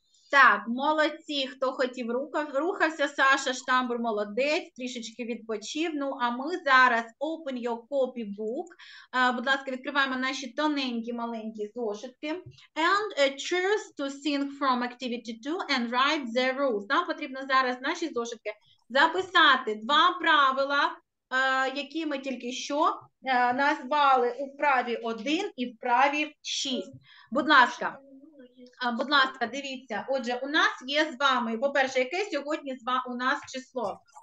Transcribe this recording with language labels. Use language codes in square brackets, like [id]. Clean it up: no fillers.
[uk] Так, молодці, хто хотів рухався, Саша Штамбур молодець, трішечки відпочив. Ну, а ми зараз [en] open your copy book. [uk] Будь ласка, відкриваємо наші тоненькі маленькі зошитки. [en] And choose to sing from activity 2 and write the rules. [uk] Нам потрібно зараз наші зошитки записати два правила, які ми тільки що назвали у праві 1 і в праві 6. Будь ласка. Будь ласка, дивіться. Отже, у нас є з вами, по-перше, яке сьогодні у нас число?